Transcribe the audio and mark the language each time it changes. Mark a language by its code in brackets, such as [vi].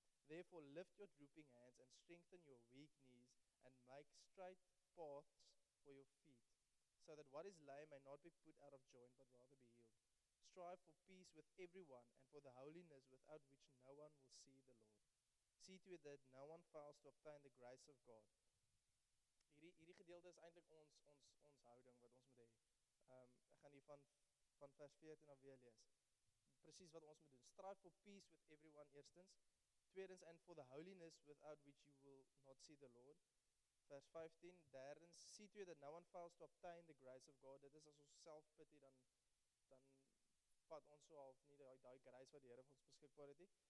[en] Therefore, lift your drooping hands and strengthen your weak knees and make straight paths for your feet, so that what is lame may not be put out of joint, but rather be healed. Strive for peace with everyone and for the holiness without which no one will see the Lord. See to it that no one fails to obtain the grace of God. [af] Hierdie gedeelte is eintlik ons houding wat ons moet hê. Ek gaan hier van vers 14 af weer lees. Precies wat ons moet doen. [en] Strive for peace with everyone [af] eerstens. Tweedens, [en] and for the holiness without which you will not see the Lord. [af] Vers 15, derdens, [en] see to it that no one fails to obtain the grace of God. [af] Dit is as ons self pity, dan vat ons so half nie die grace wat die Here ons beskikbaar het nie.